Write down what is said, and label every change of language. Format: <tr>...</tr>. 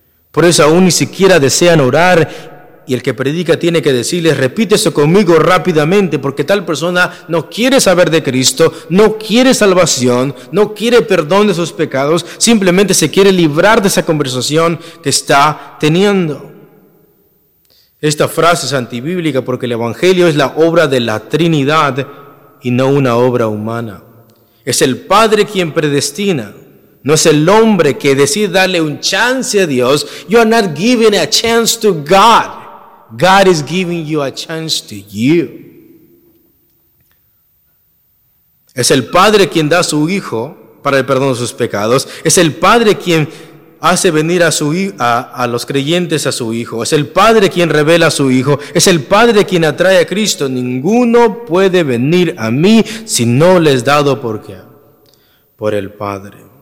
<es>Por eso aún ni siquiera desean orar. Y el que predica tiene que decirles, repite eso conmigo rápidamente, porque tal persona no quiere saber de Cristo, no quiere salvación, no quiere perdón de sus pecados, simplemente se quiere librar de esa conversación que está teniendo. Esta frase es antibíblica porque el Evangelio es la obra de la Trinidad y no una obra humana. Es el Padre quien predestina, no es el hombre que decide darle un chance a Dios.</es> <en>You are not giving a chance to God. God is giving you a chance to you.</en> <es>Es el Padre quien da a su Hijo para el perdón de sus pecados. Es el Padre quien hace venir a los creyentes a su Hijo. Es el Padre quien revela a su Hijo. Es el Padre quien atrae a Cristo. Ninguno puede venir a mí si no les dado por qué. Por el Padre.</es>